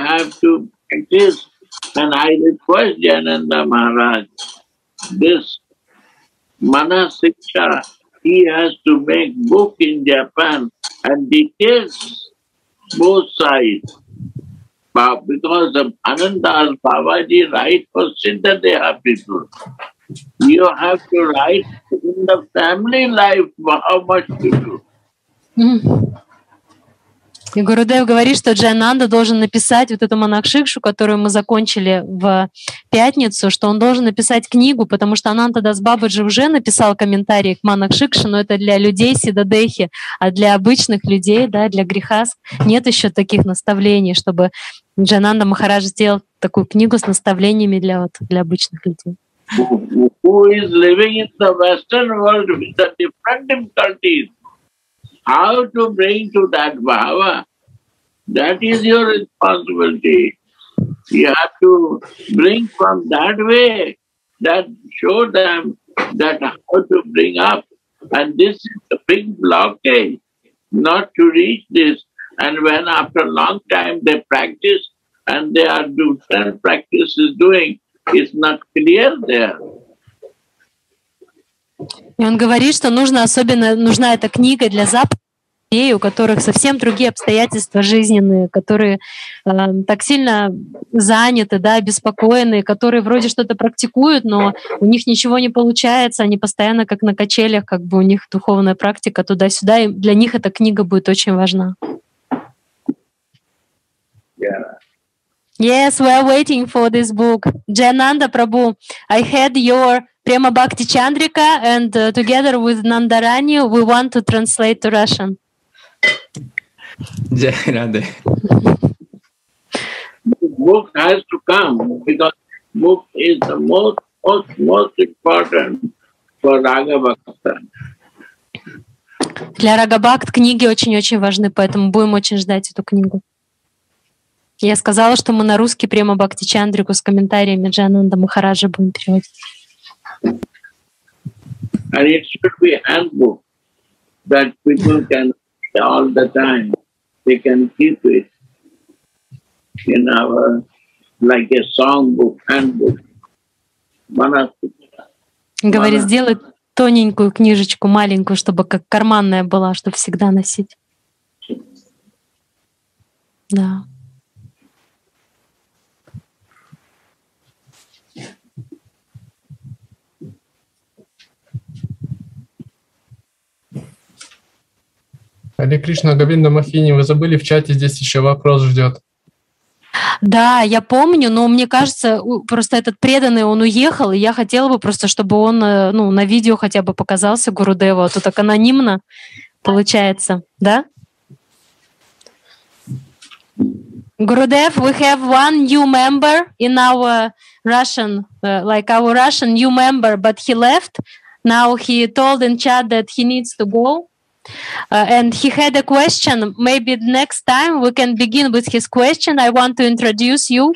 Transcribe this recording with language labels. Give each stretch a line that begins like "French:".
English: We have to practice. And I request Jananda Maharaj, this Mana Siksha, he has to make book in Japan and details both sides. But because Ananda and Babaji write for Siddhadeha people. You have to write in the family life how much to do.
Russian: И Гурудев говорит, что Джайананда должен написать вот эту Манакшикшу, которую мы закончили в пятницу, что он должен написать книгу, потому что Ананда Дас Бабаджи уже написал комментарий к Манакшикше, но это для людей Сиддхадехи, а для обычных людей, да, для грехас нет еще таких наставлений, чтобы Джайананда Махарадж сделал такую книгу с наставлениями для, вот, для обычных людей.
English: Who is living in the Western world with the different difficulties? How to bring to that bhava? That is your responsibility. You have to bring from that way, that show them that how to bring up. And this is a big blockage not to reach this. And when after a long time they practice and they are different practices doing, it's not clear there.
Russian: И он говорит, что нужно особенно нужна эта книга для западных людей, у которых совсем другие обстоятельства жизненные, которые так сильно заняты, да, обеспокоены, которые вроде что-то практикуют, но у них ничего не получается, они постоянно как на качелях, как бы у них духовная практика туда-сюда, и для них эта книга будет очень важна.
English: Yeah. Yes, we are waiting for this book. Jayananda Prabhu, I had your Prema Bhakti Chandrika, and together with Nandarani, we want to translate to Russian. Jai Radhe. Book has to come, because book is the most important for Raga Bhakta.
Russian: Для Рага Бхакт книги очень-очень важны, поэтому будем очень ждать эту книгу. Я сказала, что мы на русский Prema Bhakti Chandrika с комментариями Джайананда Махараджа будем переводить.
English: And it should be handbook that people can read all the time. They can keep it in our like a songbook handbook.
Russian: Говорит, сделай тоненькую книжечку, маленькую, чтобы как карманная была, чтобы всегда носить. Да. Хари Кришна, Говинда Махини, вы забыли в чате, здесь еще вопрос ждет. Да, я помню, но мне кажется, просто этот преданный, он уехал, и я хотела бы просто, чтобы он ну, на видео хотя бы показался Гурудеву, а то так анонимно получается, да?
English: Гурудев, we have one new member in our Russian, like our Russian new member, but he left. Now he told in chat that he needs to go. And he had a question. Maybe next time we can begin with his question. I want to introduce you.